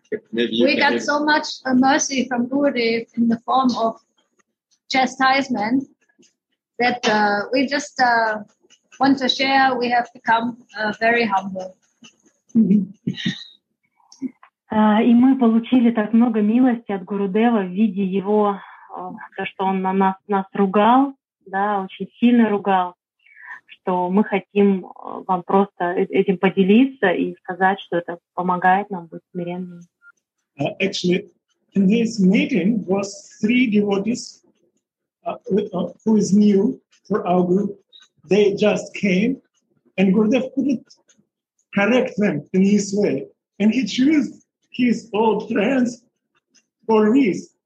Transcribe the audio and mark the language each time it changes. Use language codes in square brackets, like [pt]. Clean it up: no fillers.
[en] we got so much mercy from Gurudev in the form of chastisement that we just want to share. We have become very humble. [ru] И мы получили так много милости от Гурудева в виде его, то, что он на нас ругал, да, очень сильно ругал, что мы хотим вам просто этим поделиться и сказать, что это помогает нам быть смиренными. [en] Actually, in his meeting was three devotees who is new for our group. They just came, and Gurudev couldn't correct them in his way. And he chose his old friends for this.